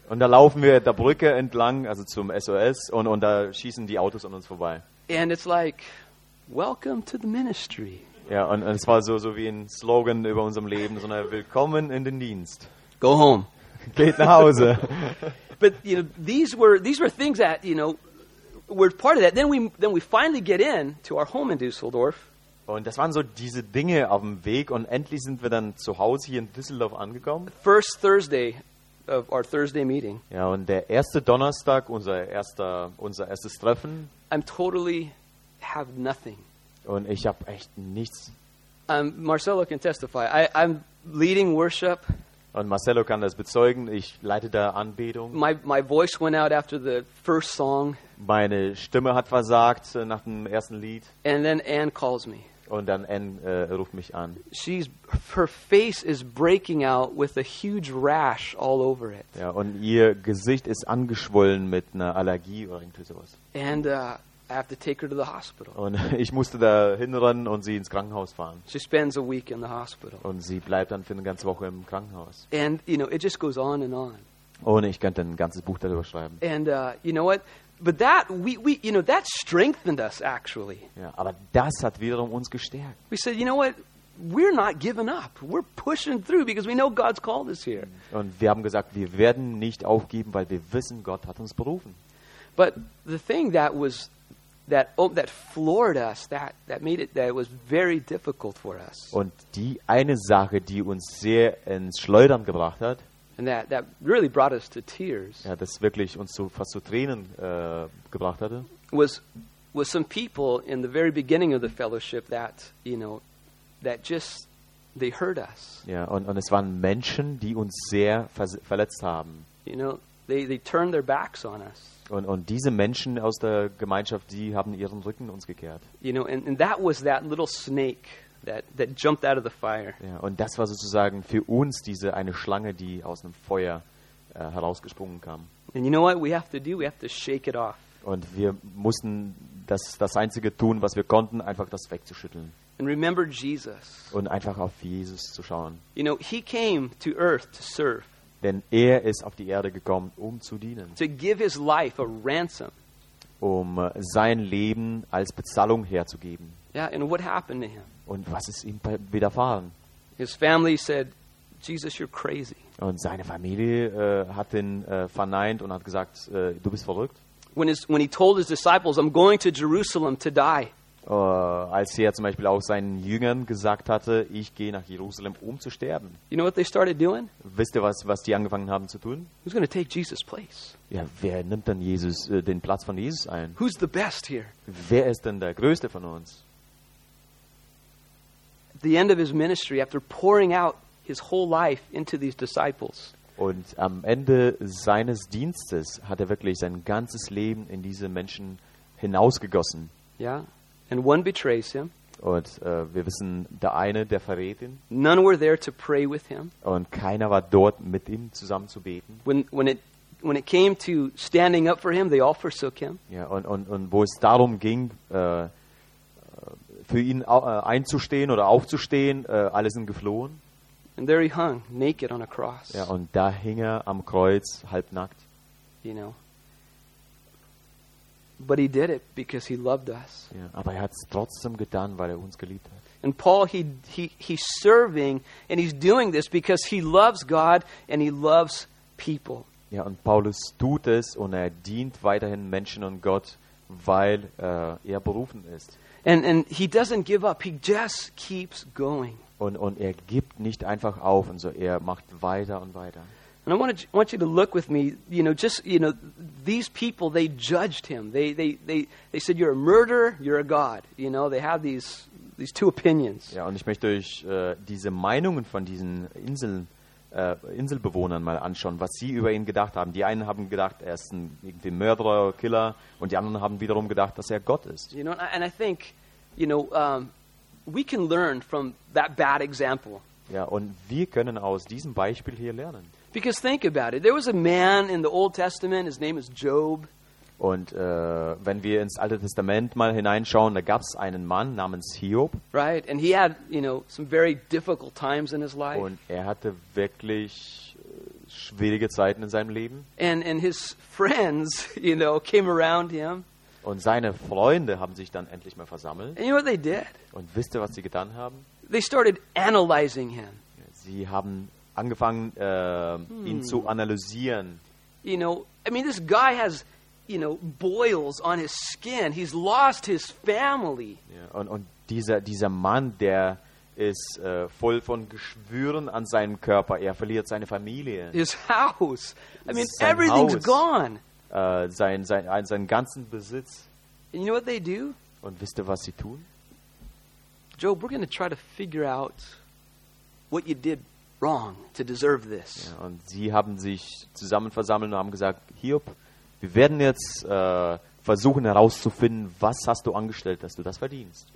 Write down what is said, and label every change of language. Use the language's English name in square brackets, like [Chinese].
[German] Und da laufen wir der Brücke entlang, also zum SOS, und da schießen die Autos an uns vorbei. [English] And it's like, welcome to the ministry. [German] Ja, und es war so wie ein Slogan über unserem Leben, sondern willkommen in den Dienst. [English] Go home. [German] Geht nach Hause. [English] But you know, these were things that, you know, were part of that. Then we finally get in to our home in Düsseldorf. [German] Und das waren so diese Dinge auf dem Weg, und endlich sind wir dann zu Hause hier in Düsseldorf angekommen. [English] First Thursday of our Thursday meeting. [German] Ja, und der erste Donnerstag, unser erstes Treffen. [English] I'm totally have nothing. [German] Und ich habe echt nichts. [English] Marcelo can testify. I'm leading worship. [German] Und Marcelo kann das bezeugen. Ich leite da Anbetung. [English] My voice went out after the first song. [German] Meine Stimme hat versagt nach dem ersten Lied. [English] And then Anne calls me. [German] Und dann ruft mich an. [English] Her face is breaking out with a huge rash all over it. [German] Ja, und ihr Gesicht ist angeschwollen mit einer Allergie oder irgendwie sowas. [English] And I have to take her to the hospital. [German] Und ich musste da hinrennen und sie ins Krankenhaus fahren. [English] She spends a week in the hospital. [German] Und sie bleibt dann für eine ganze Woche im Krankenhaus. [English] And you know, it just goes on and on. [German] Und ich könnte ein ganzes Buch darüber schreiben. [English] And you know what? But that we you know, that strengthened us actually. [German] Ja, aber das hat wiederum uns gestärkt. [English] We said, you know what? We're not giving up. We're pushing through because we know God's called us here. [German] Und wir haben gesagt, wir werden nicht aufgeben, weil wir wissen, Gott hat uns berufen. [English] But the thing that was that floored us, that made it, that was very difficult for us. [German] Und die eine Sache, die uns sehr ins Schleudern gebracht hat. [English] And that really brought us to tears. [German] Ja, das wirklich uns so fast zu Tränen gebracht hatte. [English] Was some people in the very beginning of the fellowship that, you know, that just, they hurt us. [German] Ja, und es waren Menschen, die uns sehr verletzt haben. [English] You know, they turned their backs on us. [German] Und diese Menschen aus der Gemeinschaft, die haben ihren Rücken uns gekehrt. [English] You know, and that was that little snake that jumped out of the fire. [German] Ja, und das war sozusagen für uns diese eine Schlange, die aus dem Feuer herausgesprungen kam. [English] And you know what we have to do? We have to shake it off. [German] Und wir mussten das einzige tun, was wir konnten, einfach das wegzuschütteln. [English] And remember Jesus. [German] Und einfach auf Jesus zu schauen. [English] You know, he came to earth to serve. [German] Denn er ist auf die Erde gekommen, um zu dienen. [English] To give his life a ransom. [German] Um sein Leben als Bezahlung herzugeben. [English] Yeah, and what happened to him? [German] Und was ist ihm widerfahren? [English] His family said, "Jesus, you're crazy." [German] Und seine Familie hat ihn verneint und hat gesagt, du bist verrückt. [English] When he told his disciples, "I'm going to Jerusalem to die." [German] Als er zum Beispiel auch seinen Jüngern gesagt hatte, ich gehe nach Jerusalem, um zu sterben. [English] You know what they started doing? [German] Wisst ihr, was die angefangen haben zu tun? [English] Who's going to take Jesus' place? [German] Ja, wer nimmt dann Jesus den Platz von Jesus ein? [English] Who's the best here? [German] Wer ist denn der Größte von uns? [English] At the end of his ministry, after pouring out his whole life into these disciples. [German] Und am Ende seines Dienstes hat er wirklich sein ganzes Leben in diese Menschen hinausgegossen. [English] Ja. And one betrays him. [German] Und wir wissen, der eine, der verrät ihn. [English] None were there to pray with him. [German] Und keiner war dort, mit ihm zusammen zu beten. [English] When it came to standing up for him, they all forsook him. [German] Ja, und wo es darum ging, für ihn einzustehen oder aufzustehen, alle sind geflohen. [English] And there he hung, naked on a cross. [German] Ja, und da hing er am Kreuz, halbnackt. [English] You know. But he did it because he loved us. [German] Ja, aber er hat es trotzdem getan, weil er uns geliebt hat. [English] And Paul, he's serving and he's doing this because he loves God and he loves people. [German] Ja, und Paulus tut es und er dient weiterhin Menschen und Gott, weil er berufen ist. [English] And he doesn't give up. He just keeps going. [German] Und er gibt nicht einfach auf, und so er macht weiter und weiter. [English] And I want you to look with me, you know, just, you know, these people, they judged him. They said, you're a murderer, you're a god. You know, they have these two opinions. [German] Ja, und ich möchte euch diese Meinungen von diesen Inselbewohnern mal anschauen, was sie über ihn gedacht haben. Die einen haben gedacht, er ist ein irgendwie Mörderer, Killer, und die anderen haben wiederum gedacht, dass er Gott ist. [English] You know, and I think, you know, we can learn from that bad example. [German] Ja, und wir können aus diesem Beispiel hier lernen. [English] Because think about it, there was a man in the Old Testament, his name is Job. [German] Und wenn wir ins Alte Testament mal hineinschauen, da gab es einen Mann namens Hiob. [English] Right, and he had, you know, some very difficult times in his life. [German] Und er hatte wirklich schwierige Zeiten in seinem Leben. [English] And his friends, you know, came around him. [German] Und seine Freunde haben sich dann endlich mal versammelt. [English] And you know what they did? [German] Und wisst ihr, was sie getan haben? [English] They started analyzing him. [German] Sie haben angefangen, ihn zu analysieren. [English] You know, I mean, this guy has, you know, boils on his skin. He's lost his family. [German] Ja, und dieser Mann, der ist voll von Geschwüren an seinem Körper. Er verliert seine Familie. [English] His house. I mean, everything's gone. [German] Seinen ganzen Besitz. [English] And you know what they do? [German] Und wisst ihr, was sie tun? [English] Job, we're going to try to figure out what you did wrong to deserve this. [German] Ja, und sie haben sich zusammen versammelt und haben gesagt, Hiob, wir werden jetzt versuchen herauszufinden, was hast du angestellt, dass du das verdienst.